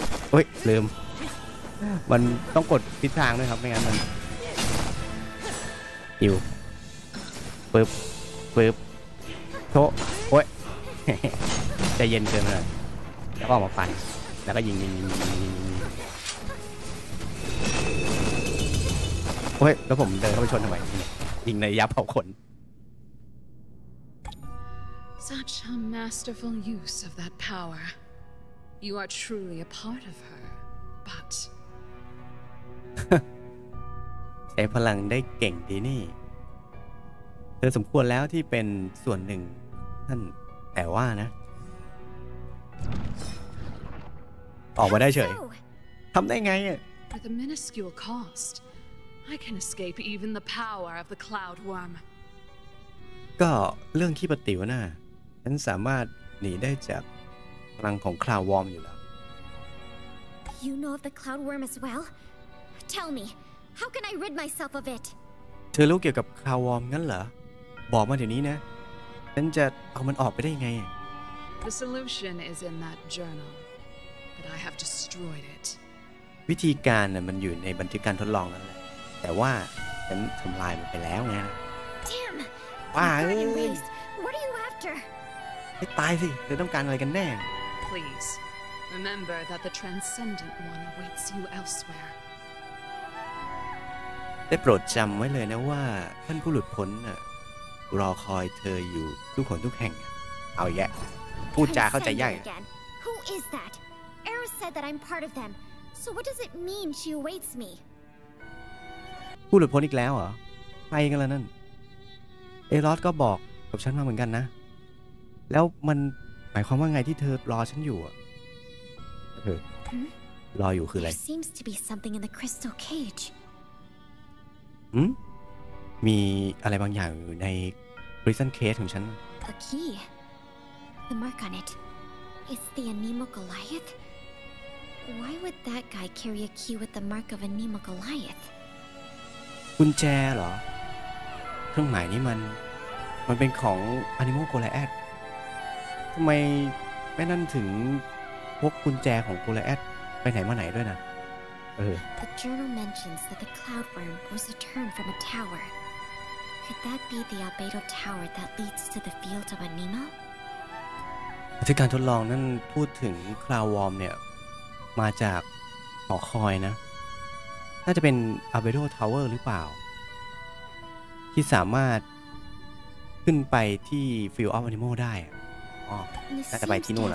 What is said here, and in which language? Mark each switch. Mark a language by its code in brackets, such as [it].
[th] เฮ้ยลืมมันต้องกดทิศทางด้วยครับไม่งั้นมันอยู่ปุ๊บปุ๊บโถ่เฮ้ยจะเย็นเกินเลยแล้วก็ออกมาฟันแล้วก็ยิงยิงยิงยิงยิงโอ้ยแล้วผมเดินเข้าไปชนทำไมยิงในยับเผาขน [en] Such a masterful use of that power. You are truly a part of her. But [th] ใช้พลังได้เก่งดีนี่เธอสมควรแล้วที่เป็นส่วนหนึ่งท่านแต่ว่านะออกมาได้เฉยทำได้ไงอ่ะ [en] With a minuscule cost I can escape even the power of the cloud worm [th] ก็เรื่องขี้ปฏิวนะฉันสามารถหนีได้จากพลังของ cloud worm อยู่แล้ว [en] You know of the cloud worm as well Tell me how can I rid myself of it [th] เธอรู้เกี่ยวกับ cloud worm งั้นเหรอบอกมาเดี๋ยวนี้นะฉันจะเอามันออกไปได้ไง [en] The solution is in that journalBut I have destroyed it. [th] วิธีการน่ะมันอยู่ในบันทึกการทดลองนั่นแหละแต่ว่าฉันทำลายมันไปแล้วไง [en] Damn! [th] ว้าเ [en] อ้ย What are you after? [th] ไอ้ตายสิเธอต้องการอะไรกันแน่ [en] Please remember that the transcendent one awaits you elsewhere. [th] ได้โปรดจำไว้เลยนะว่าท่านผู้หลุดพ้นน่ะรอคอยเธออยู่ทุกคนทุกแห่งเอาแยะพูดจาเข้าใจยาก [en] Who is that? Era said that I'm part of them. So what does it mean she awaits me? [th] พูดหลุดพ้นอีกแล้วเหรอใครกันล่ะนั่นเอรอสก็บอกกับฉันมาเหมือนกันนะแล้วมันหมายความว่าไงที่เธอรอฉันอยู่รออยู่คืออะไร [en] There seems to be something in the crystal cage. [th] มีอะไรบางอย่างอยู่ใน prison cage ของฉัน [en] A key. The mark on it. It's the Anemo GoliathWhy would that guy carry a key with the mark of a Nemo Goliath? [th] กุญแจเหรอเครื่องหมายนี้มันเป็นของ Animal Goliath ทำไมแม่นั่นถึงพกกุญแจของ Goliath ไปไหนมาไหนด้วยนะ [en] The journal mentions that the cloud worm was a turn from a tower. Could that be the Albedo Tower that leads to the field of Anemo? [th] ทดการทดลองนั่นพูดถึงคลาววอร์มเนี่ยมาจากหอคอยนะน่าจะเป็นอัลเบโดทาวเวอร์หรือเปล่าที่สามารถขึ้นไปที่ฟิลออฟแอนิโมได้อ๋อน่าจะไปที่นู่นแล